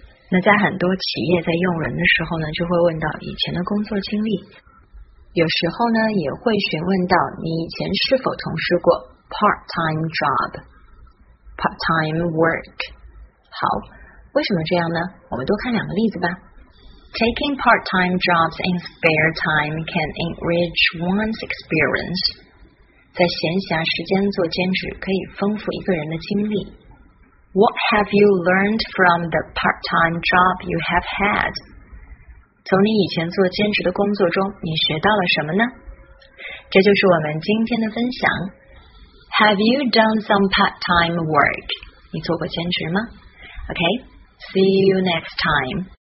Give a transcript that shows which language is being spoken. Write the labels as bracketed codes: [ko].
[zh] 那在很多企业在用人的时候呢，就会问到以前的工作经历，有时候呢也会询问到你以前是否从事过 part-time job part-time work。好，为什么这样呢？我们多看两个例子吧。 [en] Taking part-time jobs in spare time can enrich one's experience. [zh] 在闲暇时间做兼职可以丰富一个人的经历。 [en] What have you learned from the part-time job you have had? [zh] 从你以前做兼职的工作中你学到了什么呢？这就是我们今天的分享。 [en] Have you done some part-time work? [zh] 你做过兼职吗？ [en] OK?See you next time.